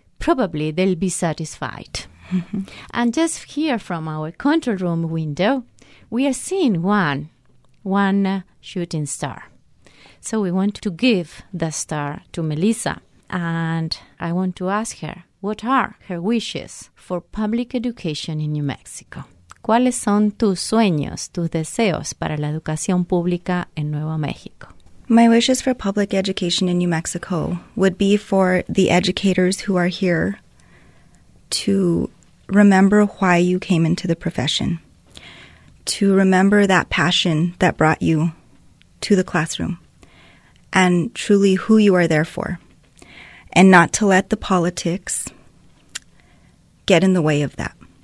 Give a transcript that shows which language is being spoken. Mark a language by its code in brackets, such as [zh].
[en] Probably they'll be satisfied. And just here from our control room window, we are seeing one shooting star. So we want to give the star to Melissa. And I want to ask her, what are her wishes for public education in New Mexico? [es] ¿Cuáles son tus sueños, tus deseos para la educación pública en Nuevo México? [en] My wishes for public education in New Mexico would be for the educators who are here to remember why you came into the profession, to remember that passion that brought you to the classroom and truly who you are there for, and not to let the politics get in the way of that.